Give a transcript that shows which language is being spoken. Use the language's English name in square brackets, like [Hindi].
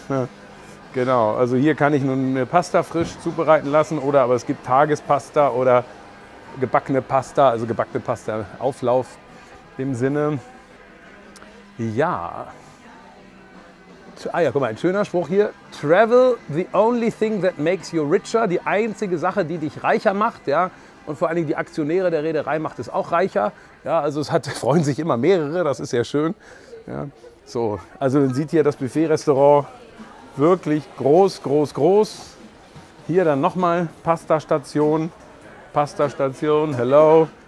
[German] Ja, genau, also hier kann ich nun eine Pasta frisch zubereiten lassen oder aber es gibt Tagespasta oder gebackene Pasta, also gebackene Pasta, Auflauf im Sinne. Ja. Ah ja, guck mal, ein schöner Spruch hier. [English] Travel, the only thing that makes you richer. [German] Die einzige Sache, die dich reicher macht. Ja? Und vor allen Dingen die Aktionäre der Reederei macht es auch reicher. Ja, also freuen sich immer mehrere, das ist sehr schön. Ja. So, also man sieht hier das Buffet-Restaurant wirklich groß, groß, groß. Hier dann nochmal Pasta-Station. Pasta-Station, [English] hello.